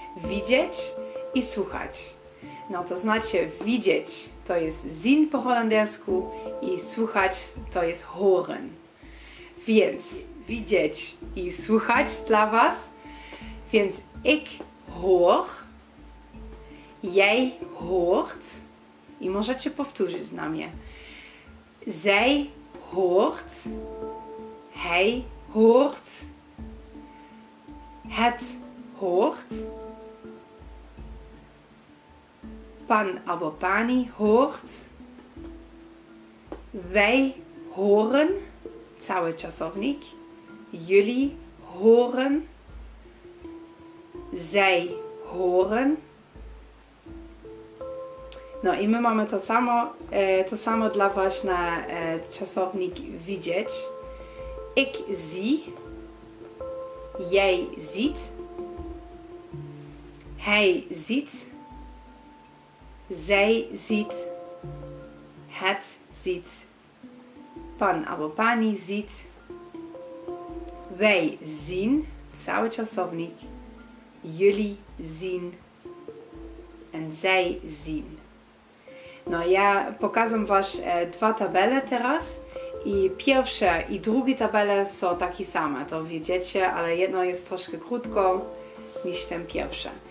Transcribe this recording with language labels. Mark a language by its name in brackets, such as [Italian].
[Polish] Widzieć i słuchać. No to znaczy widzieć, to jest zien po holendersku i słuchać, to jest horen. Więc widzieć i słuchać dla was. Więc [Dutch] ik hoor, jij hoort [Polish] i możecie powtórzyć na mnie. [Dutch] Zij hoort, hij hoort, het hoort, pan albo pani hoort, wij horen, [Polish] cały czasownik, [Dutch] jullie horen, zij horen. [Polish] No i my mamy to samo dla was na czasownik widzieć. [Dutch] Ik zie, jij ziet, hij ziet, zij ziet, het ziet, pan albo pani ziet, wij zien, [Polish] cały czasownik, [Dutch] jullie zien en zij zien. [Polish] No ja pokazam was dwa tabele teraz i pierwsze i drugie tabele są takie same, to wiecie, ale jedno jest troszkę krótko niż ten pierwsze.